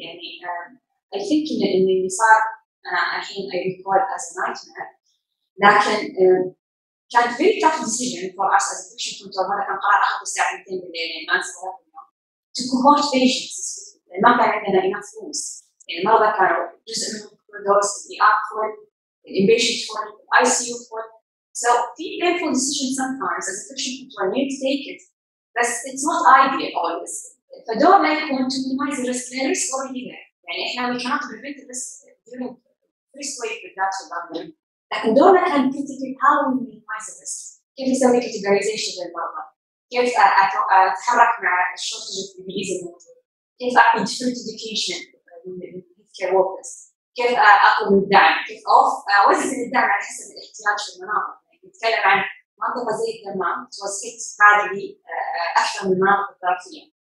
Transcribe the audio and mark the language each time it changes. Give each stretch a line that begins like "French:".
Arabic: يعني
English: I think
Arabic: إن اللي صار أنا الحين
English: I recall as a nightmare,
Arabic: لكن كان
English: very tough decision for us as a patient control.
Arabic: هذا كان قرار أخذ ساعتين بالليل يعني ما نسوي هذا اليوم
English: to cohort patients
Arabic: لأن ما كان عندنا
English: enough rooms.
Arabic: يعني المرضى كانوا جزء منهم كوردوس في ER فول, inpatient فول, ICU فول.
English: So
Arabic: في
English: painful decision sometimes as a patient control you need to take it,
Arabic: بس
English: it's not ideal always.
Arabic: فدورنا يكون
English: to minimize the risk,
Arabic: لأن الريسك
English: already there.
Arabic: يعني احنا
English: we cannot prevent the first wave of that problem.
Arabic: لكن دورنا كان
English: critical how we minimize the risk.
Arabic: كيف نسوي categorization للمرضى؟ كيف اتحرك مع
English: shortage of PPEs
Arabic: الموجود؟ كيف اعطي
English: different education
Arabic: للهيلث كير وركرز؟ كيف اطلب الدعم؟ كيف اوزع الدعم على حسب الاحتياج في المناطق؟ يعني نتكلم عن منطقة زي الدمام
English: it was hit badly
Arabic: اكثر من المناطق الثلاثية.